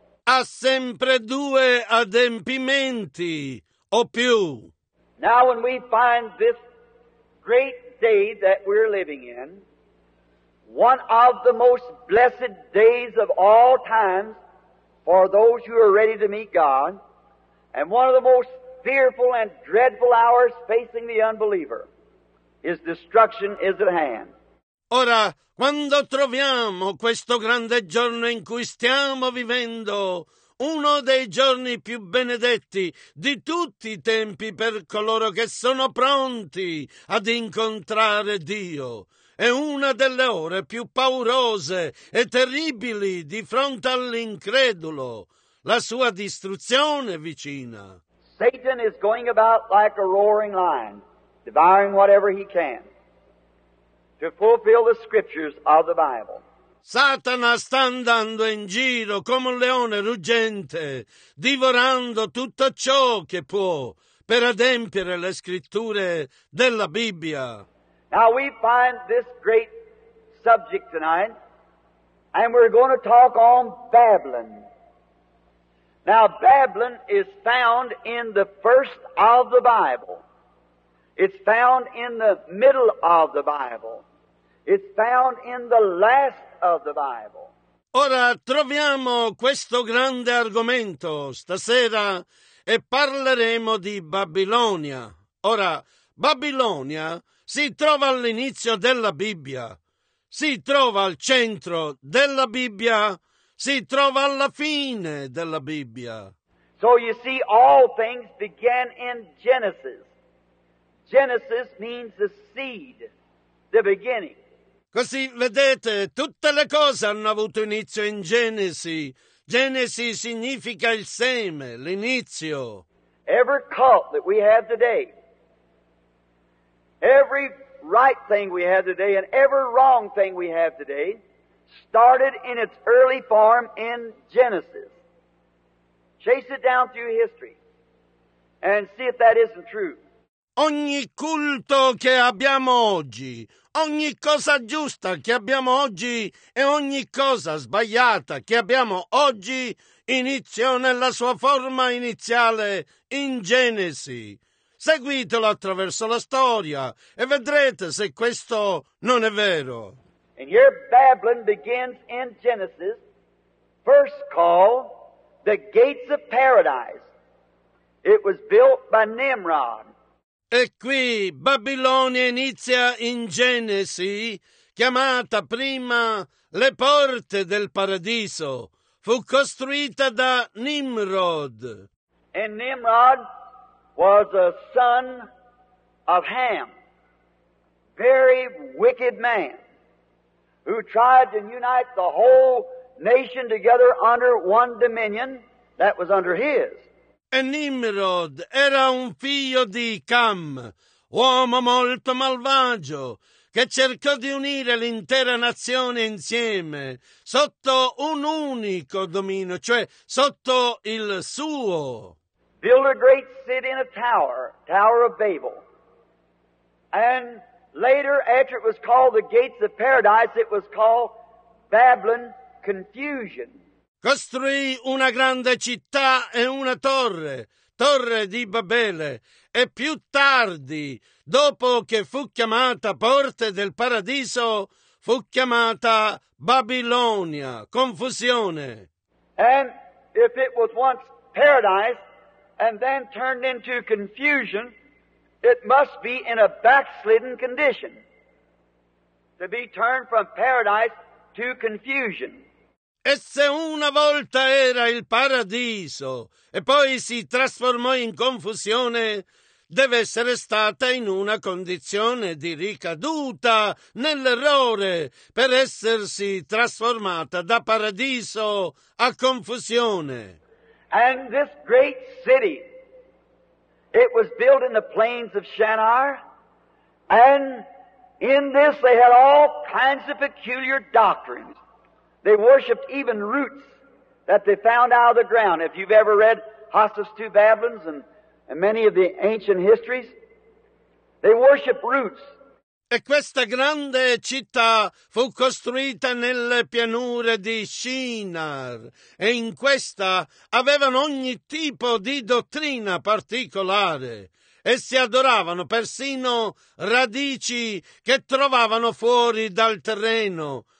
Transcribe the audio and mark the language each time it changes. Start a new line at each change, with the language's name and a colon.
Italian: Ha sempre due adempimenti o più.
English: Now when we find this great day that we're living in, one of the most blessed days of all times for those who are ready to meet God, and one of the most fearful and dreadful hours facing the unbeliever. His destruction is at hand.
Italian: Ora, quando troviamo questo grande giorno in cui stiamo vivendo, uno dei giorni più benedetti di tutti i tempi per coloro che sono pronti ad incontrare Dio, è una delle ore più paurose e terribili di fronte all'incredulo. La sua distruzione è vicina.
English: Satan is going about like a roaring lion, devouring whatever he can, to fulfill the scriptures of the Bible.
Italian: Satana sta andando in giro come un leone ruggente, divorando tutto ciò che può per adempiere le scritture della Bibbia.
English: Now we find this great subject tonight, and we're going to talk on Babylon. Now Babylon is found in the first of the Bible. It's found in the middle of the Bible. It's found in the last of the Bible.
Italian: Ora troviamo questo grande argomento stasera e parleremo di Babilonia. Ora, Babilonia si trova all'inizio della Bibbia, si trova al centro della Bibbia, si trova alla fine della Bibbia.
English: So you see, all things began in Genesis. Genesis means the seed, the beginning.
Italian: Così vedete, tutte le cose hanno avuto inizio in Genesi. Genesi significa il seme, l'inizio.
English: Every cult that we have today, every right thing we have today, and every wrong thing we have today, started in its early form in Genesis. Chase it down through history and see if that isn't true.
Italian: Ogni culto che abbiamo oggi, ogni cosa giusta che abbiamo oggi e ogni cosa sbagliata che abbiamo oggi iniziò nella sua forma iniziale in Genesi. Seguitelo attraverso la storia e vedrete se questo non è vero.
English: And here Babylon begins in Genesis, first called the Gates of Paradise. It was built by Nimrod.
Italian: E qui Babilonia inizia in Genesi, chiamata prima le porte del paradiso. Fu costruita da Nimrod.
English: And Nimrod was a son of Ham, very wicked man, who tried to unite the whole nation together under one dominion that was under his.
Italian: E Nimrod era un figlio di Cam, uomo molto malvagio, che cercò di unire l'intera nazione insieme sotto un unico dominio, cioè sotto il suo.
English: Built a great city in a tower, Tower of Babel, and later, after it was called the Gates of Paradise, it was called Babylon Confusion.
Italian: Costruì una grande città e una torre, Torre di Babele, e più tardi, dopo che fu chiamata Porte del Paradiso, fu chiamata Babilonia, Confusione.
English: And if it was once paradise and then turned into confusion, it must be in a backslidden condition to be turned from paradise to confusion.
Italian: E se una volta era il paradiso e poi si trasformò in confusione, deve essere stata in una condizione di ricaduta nell'errore per essersi trasformata da paradiso a confusione.
English: And this great city, it was built in the plains of Shinar, and in this they had all kinds of peculiar doctrines. They worshipped even roots that they found out of the ground. If you've ever read Hostis to Babylons and many of the ancient histories, they worship roots.
Italian: E questa grande città fu costruita nelle pianure di Shinar, e in questa avevano ogni tipo di dottrina particolare, e si adoravano persino radici che trovavano fuori dal terreno.